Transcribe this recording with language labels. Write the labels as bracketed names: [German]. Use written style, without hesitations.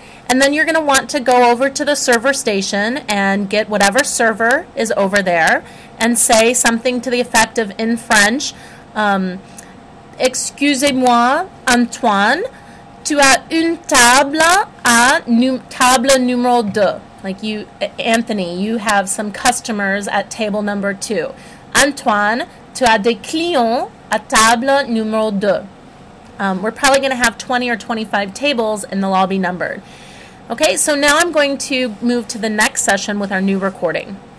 [English] And then you're going to want to go over to the server station and get whatever server is over there and say something to the effect of, in French, [French] excusez-moi, Antoine, tu as une table à table numéro deux. [English] Like, you, Anthony, you have some customers at table number two. [French] Antoine, tu as des clients à table numéro deux. [English] We're probably going to have 20 or 25 tables and they'll all be numbered. Okay, so now I'm going to move to the next session with our new recording.